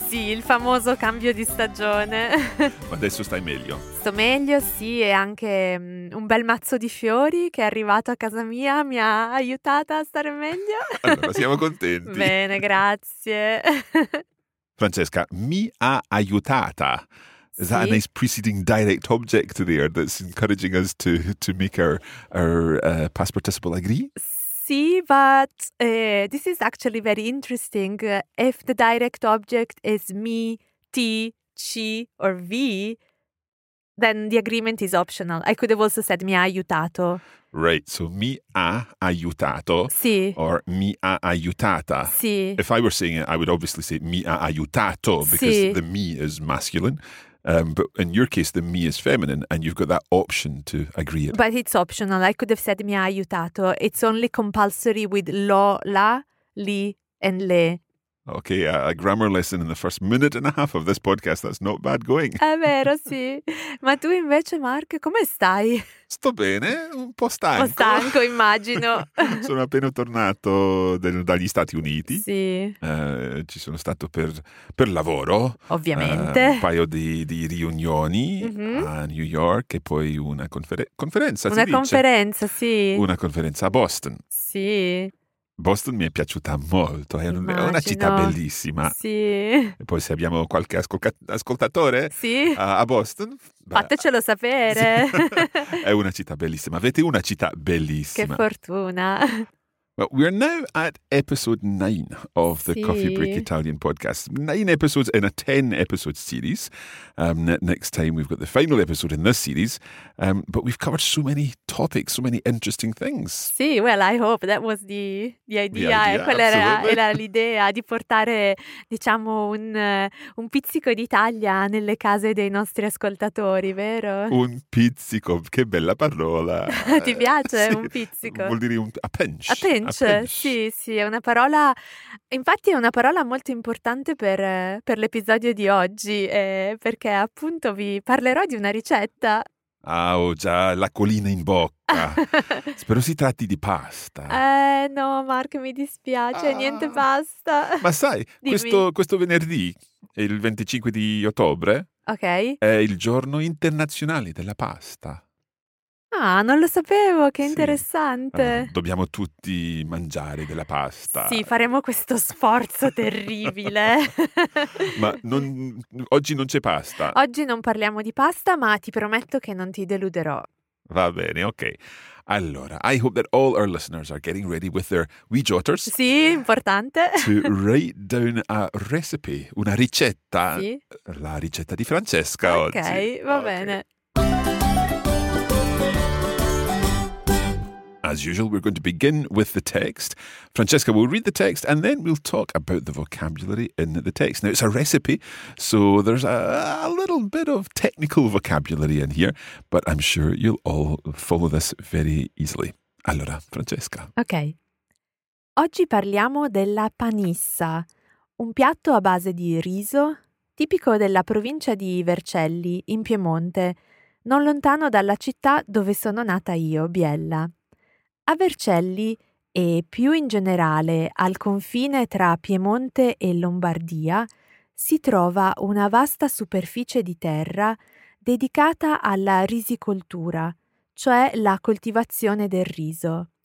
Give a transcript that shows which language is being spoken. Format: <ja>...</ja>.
<it>Sì, il famoso cambio di stagione. Ma adesso stai meglio? Sto meglio, sì. E anche un bel mazzo di fiori che è arrivato a casa mia. Mi ha aiutata a stare meglio. Allora, siamo contenti. Bene, grazie. Francesca, mi ha aiutata.</it> <en>Is that a nice preceding direct object there that's encouraging us to make our past participle agree? But this is actually very interesting. If the direct object is me, ti, ci, or vi, then the agreement is optional. I could have also said</en> <it>mi ha aiutato.</it> <en>Right, so</en> <it>mi ha aiutato. Sì. Or mi ha aiutata. Sì.</it> <en>If I were saying it, I would obviously say</en> <it>mi ha aiutato</it> <en>because</en> <it>sì.</it> <en>The mi is masculine. But in your case, the mi is feminine and you've got that option to agree it. But it's optional. I could have said</en> <it>mi ha aiutato.</it> <en>It's only compulsory with lo, la, li and le. Okay, a grammar lesson in the first minute and a half of this podcast. That's not bad going.</en> <it>È vero, sì. Ma tu invece, Mark, come stai? Sto bene, un po' stanco. Un po' stanco, immagino. Sono appena tornato dagli Stati Uniti. Sì. Ci sono stato per lavoro. Ovviamente. Un paio di riunioni a New York e poi una conferenza, si dice. Una conferenza, sì. Una conferenza a Boston. Sì. Boston mi è piaciuta molto, è immagino. Una città bellissima. Sì. E poi se abbiamo qualche ascoltatore sì. a Boston... Fatecelo sapere. Sì. È una città bellissima. Avete una città bellissima. Che fortuna.</it> <en>Well, we are now at episode 9 of the</en> <it>sì.</it> <en>Coffee Break Italian podcast. 9 episodes in a 10-episode series. Next time we've got the final episode in this series. But we've covered so many topics, so many interesting things. Sì, well, I hope that was the idea. The idea,</en> <it>quella era l'idea di portare, diciamo, un pizzico d'Italia nelle case dei nostri ascoltatori, vero? Un pizzico, che bella parola. Ti piace sì. Un pizzico? Vuol dire</it> <en>a pinch. A pinch. appendice.</en> <it>Sì, sì, è una parola, infatti è una parola molto importante per l'episodio di oggi, perché appunto vi parlerò di una ricetta. Ah, ho già l'acquolina in bocca. Spero si tratti di pasta. No, Mark, mi dispiace, niente pasta. Ma sai, questo venerdì, il 25 di ottobre, okay, è il giorno internazionale della pasta. Ah, non lo sapevo, che interessante. Sì. Dobbiamo tutti mangiare della pasta. Sì, faremo questo sforzo terribile. Ma non, oggi non c'è pasta. Oggi non parliamo di pasta, ma ti prometto che non ti deluderò. Va bene, ok.</it> <en>Allora, I hope that all our listeners are getting ready with their wee jotters.</en> <it>Sì, importante.</it> <en>To write down a recipe,</en> <it>una ricetta. Sì. La ricetta di Francesca, okay, oggi. Ok, va bene.</it> <en>As usual, we're going to begin with the text. Francesca will read the text and then we'll talk about the vocabulary in the text. Now, it's a recipe, so there's a little bit of technical vocabulary in here, but I'm sure you'll all follow this very easily.</en> <it>Allora, Francesca. Ok. Oggi parliamo della panissa, un piatto a base di riso, tipico della provincia di Vercelli, in Piemonte, non lontano dalla città dove sono nata io, Biella. A Vercelli, e più in generale al confine tra Piemonte e Lombardia, si trova una vasta superficie di terra dedicata alla risicoltura, cioè la coltivazione del riso.</it>